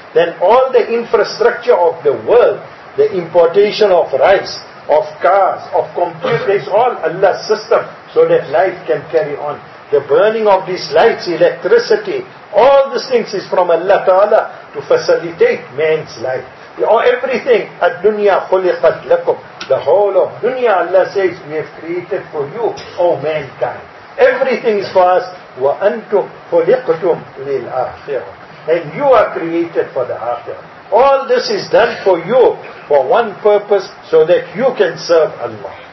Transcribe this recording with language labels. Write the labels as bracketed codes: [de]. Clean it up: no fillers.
[en] Then all the infrastructure of the world, the importation of rice, of cars, of computers, all Allah's system so that life can carry on. The burning of these lights, electricity, all these things is from Allah Ta'ala to facilitate man's life. [ar] Everything, الدُّنْيَا خُلِقَتْ لَكُمْ. [en] The whole of dunya, Allah says, we have created for you, O mankind. Everything is for us. [ar] وَأَنْتُمْ خُلِقْتُمْ لِلْآخِرَةِ. [en] And you are created for the akhirah. All this is done for you, for one purpose, so that you can serve Allah.